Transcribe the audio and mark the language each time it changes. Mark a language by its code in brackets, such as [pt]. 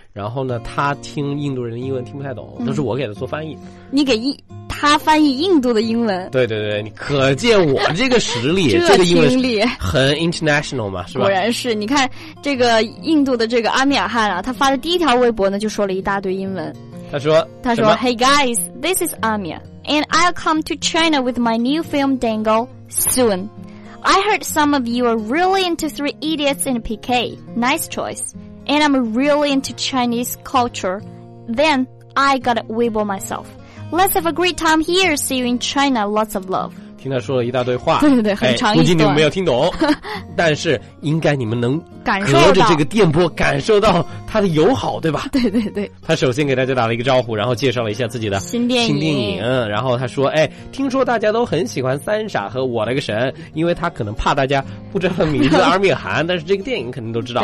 [zh] 然后呢，他听印度人的英文听不太懂，都是我给他做翻译。你给他翻译印度的英文？对对对，你可见我这个实力，这个英文很 international 嘛，是吧？果然是，你看这个印度的这个阿米尔汗啊，他发的第一条微博呢，就说了一大堆英文。他说 [en] ，Hey guys, this is Amir, and I'll come to China with my new film Dangle soon. I heard some of you are really into Three Idiots and PK. Nice choice. And I'm really into Chinese culture. Then I got a Weibo myself. Let's have a great time here. See you in China. Lots of love. [zh] 听他说了一大堆话，对对对，很长一段。估计你们没有听懂，但是应该你们能感受到，隔着这个电波感受到他的友好，对吧？对对对。他首先给大家打了一个招呼，然后介绍了一下自己的新电影。然后他说：“哎，听说大家都很喜欢三傻和我的个神，因为他可能怕大家不知道他名字阿米尔汗，但是这个电影肯定都知道。”